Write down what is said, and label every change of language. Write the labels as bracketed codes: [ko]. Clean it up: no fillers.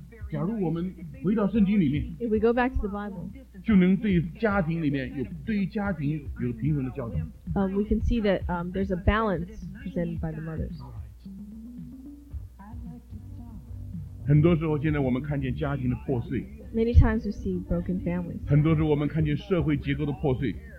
[zh] 假如我们回到圣经里面， [en] If we go back to the Bible, [zh] 就能对家庭里面有对于家庭有平衡的教导。 [en] We can see that there's a balance presented by the mothers. [zh] 很多时候，现在我们看见家庭的破碎。 [en] Many times we see broken families. [zh] 很多时候我们看见社会结构的破碎。